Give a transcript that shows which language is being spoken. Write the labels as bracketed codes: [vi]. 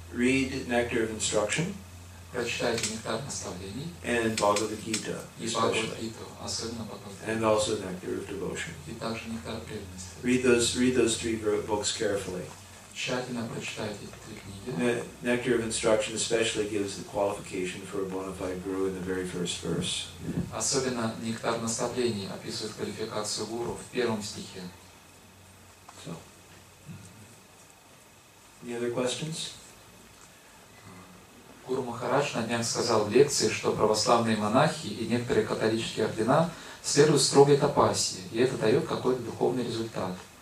[en] Read Nectar of Instruction. [ru] Прочитайте Нектар наставлений. [en] And Bhagavad Gita. [ru] И Bhagavad Gita, особенно Bhagavad Gita. [en] And also Nectar of Devotion. [ru] И также Нектар преданности. [en] Read those three books carefully. [ru] Тщательно прочитайте эти три книги. [en] Nectar of Instruction especially gives the qualification for a bona fide guru in the very first verse. [ru] Особенно Нектар наставлений описывает квалификацию гуру в первом стихе. [en] So. Any other questions? [ru] Гуру Махарадж на днях сказал в лекции, что православные монахи и некоторые католические ордена следуют строгой тапасе, и это дает какой-то духовный результат.